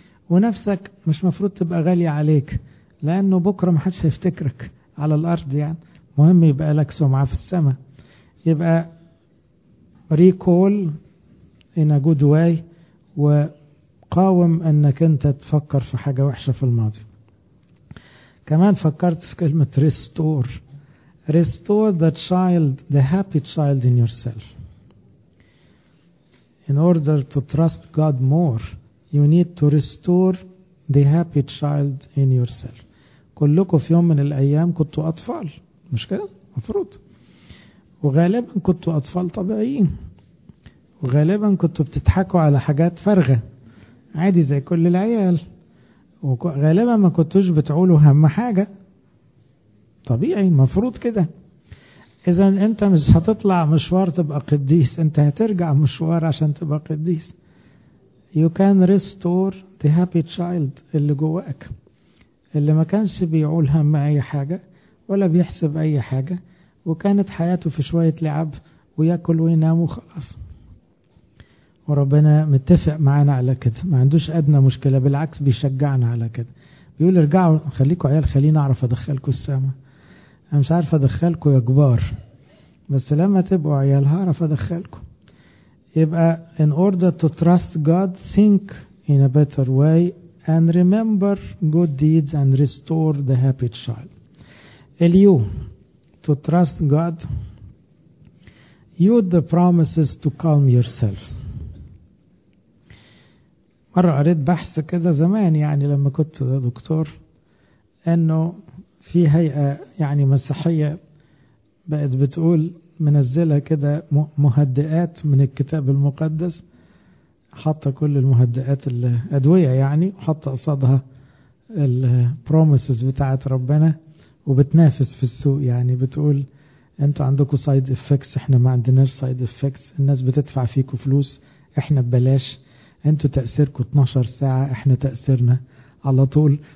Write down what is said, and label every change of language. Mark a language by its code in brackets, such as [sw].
[ar] ونفسك مش مفروض تبقى غالية عليك، لأنه بكرة ما حدش هيفتكرك على الأرض يعني. مهم يبقى لك سمعة في السماء. يبقى [en] recall in a good way، [ar] وقاوم أنك أنت تفكر في حاجة وحشة في الماضي. كمان فكرت في كلمة restore. [en] restore the child, the happy child in yourself. In order to trust God more, you need to restore the happy child in yourself. [ar] كلكم في يوم من الأيام كنتوا أطفال، مش كده؟ مفروض. وغالبا كنتوا أطفال طبيعيين، وغالبا كنتوا بتضحكوا على حاجات فارغة عادي زي كل العيال، وغالبا ما كنتوش بتقولوا هم حاجة، طبيعي مفروض كده. إذا أنت مش هتطلع مشوار تبقى قديس، أنت هترجع مشوار عشان تبقى قديس. [en] You can restore the happy child [ar] اللي جواك، اللي ما كانش بيقول هم أي حاجة ولا بيحسب أي حاجة، وكانت حياته في شوية لعب وياكل وينام وخلاص. وربنا متفق معنا على كده، ما عندوش أدنى مشكلة، بالعكس بيشجعنا على كده، بيقول ارجعوا خليكوا عيال، خليني أعرف أدخلكوا السماء. أنا مش عارف أدخلكوا يا كبار، بس لما تبقوا عيال هعرف أدخلكوا. [en] يبقى in order to trust God, think in a better way and remember good deeds and restore the happy child. Eliu, to trust God, use the promises to calm yourself. [ar] مرة قريت بحث كده زمان يعني لما كنت دكتور، انه في هيئة يعني مسيحية بقت بتقول منزلة كده مهدئات من الكتاب المقدس، حط كل المهدئات الأدوية يعني، وحط قصادها البروميسز بتاعت ربنا، وبتنافس في السوق يعني، بتقول انتوا عندكم سايد افكتس، احنا ما عندناش سايد افكتس، الناس بتدفع فيكوا فلوس احنا ببلاش، انتوا تأثيركوا 12 ساعة احنا تأثيرنا على طول.